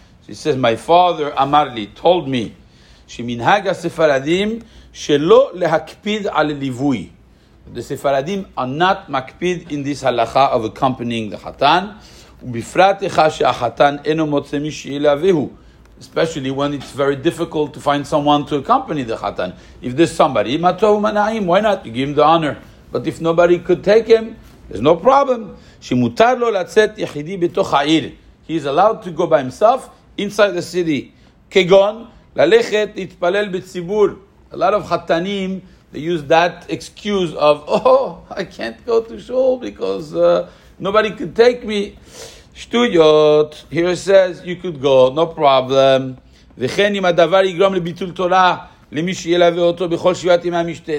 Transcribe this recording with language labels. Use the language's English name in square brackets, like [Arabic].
[English] He says, my father, Amarli, told me, [Hebrew] שמנהג הספרדים שלא להקפיד על ליווי. [English] The ספרדים are not מקפיד in this הלכה of accompanying the חתן, [Hebrew] ובפרט איך שהחתן אינו מוצא מי שילווהו. [English] Especially when it's very difficult to find someone to accompany the חתן. If there's somebody, [Hebrew] מה טוב ומנעים, [English] why not? You give him the honor. But if nobody could take him, there's no problem. [Hebrew] שמותר לו לצאת יחידי בתוך העיר. [English] He is allowed to go by himself inside the city. [Hebrew] כגון, ללכת להתפלל בציבור. [English] A lot of chatanim, they use that excuse of, oh, I can't go to shul because nobody could take me. Shtuyot, here it says, you could go, no problem. [Hebrew] וכן אם הדבר יגרום לביטול תורה למי שילווה אותו בכל שבעת ימי המשתה.